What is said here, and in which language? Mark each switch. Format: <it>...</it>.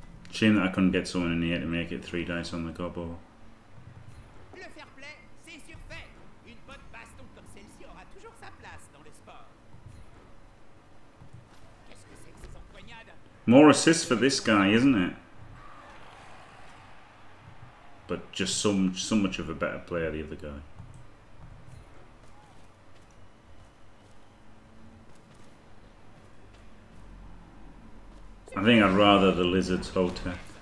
<en>Shame that I couldn't get someone in here to make it three dice on the gobble.</en> <fr>Le fair play, c'est surfait. Une bonne baston comme celle-ci aura toujours sa place dans le sport. Qu'est-ce que c'est que ces empoignades?</fr> <en>More assists for this guy, isn't it? But just so much of a better player the other guy. I think I'd rather the lizard's Hotep.</en>